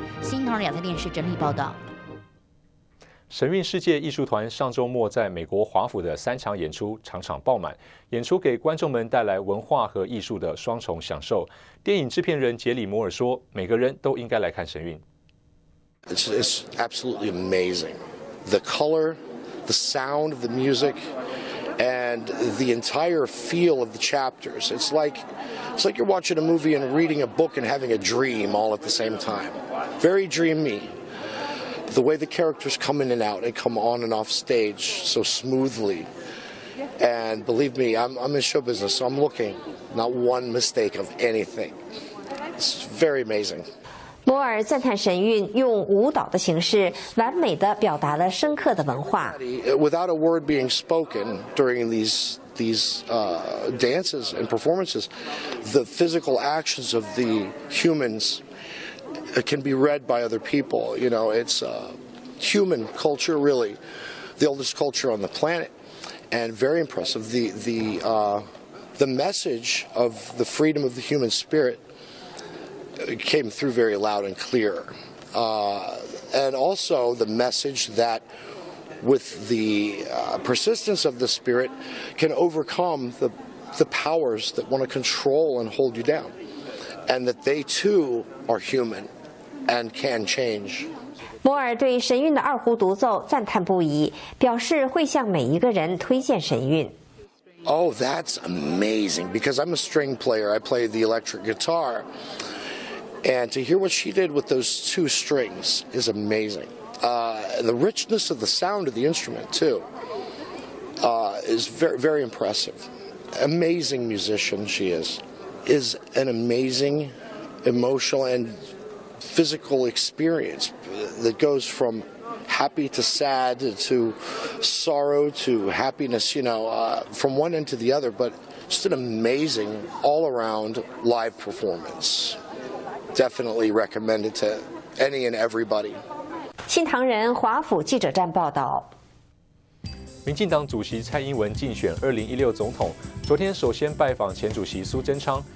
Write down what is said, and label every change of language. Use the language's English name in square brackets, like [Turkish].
[Chinese] 新唐人亚太电视整理报道。神韵世界艺术团上周末在美国华府的3场演出场场爆满，演出给观众们带来文化和艺术的双重享受。电影制片人杰里摩尔说，每个人都应该来看神韵。 [English] It's absolutely amazing. The color, the sound of the music, and the entire feel of the chapters. It's like you're watching a movie and reading a book and having a dream all at the same time. Very dreamy. The way the characters come in and out and come on and off stage so smoothly. And believe me, I'm in show business, so I'm looking. Not one mistake of anything. It's very amazing. [Chinese] 摩尔赞叹神韵用舞蹈的形式完美地表达了深刻的文化。 [English] Without a word being spoken during these dances and performances, the physical actions of the humansIt can be read by other people. You know, it's human culture, really. The oldest culture on the planet. And very impressive. The message of the freedom of the human spirit came through very loud and clear. And also the message that with the persistence of the spirit can overcome the powers that want to control and hold you down. And that they too are human. And can change. [Chinese] 摩尔对神韵的二胡独奏赞叹不已，表示会向每一个人推荐神韵。 [English] Oh, that's amazing! Because I'm a string player, I play the electric guitar, and to hear what she did with those two strings is amazing. The richness of the sound of the instrument too is very, very impressive. Amazing musician she is an amazing emotional and physical experience that goes from happy to sad to sorrow to happiness, you know, from one end to the other, but just an amazing all around live performance. Definitely recommend it to any and everybody. [Chinese] 新唐人华府记者站报道。民进党主席蔡英文竞选2016总统，昨天首先拜访前主席苏贞昌。